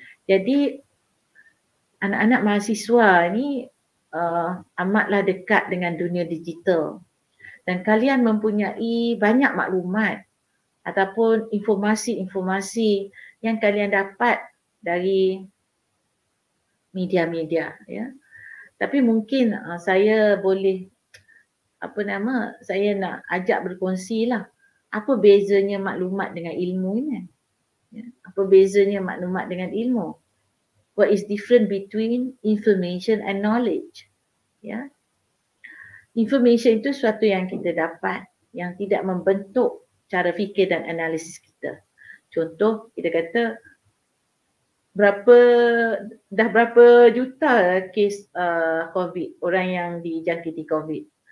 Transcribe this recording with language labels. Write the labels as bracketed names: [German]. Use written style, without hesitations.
[Malay] Jadi anak-anak mahasiswa ini amatlah dekat dengan dunia digital, dan kalian mempunyai banyak maklumat ataupun informasi-informasi yang kalian dapat dari media-media ya. Tapi mungkin saya boleh saya nak ajak berkongsi lah apa bezanya maklumat dengan ilmu ini. Apa bezanya maklumat dengan ilmu? [English] What is different between information and knowledge? [Malay] Ya. Information itu suatu yang kita dapat yang tidak membentuk cara fikir dan analisis kita. Contoh kita kata berapa, dah berapa juta kes COVID, orang yang dijangkiti COVID.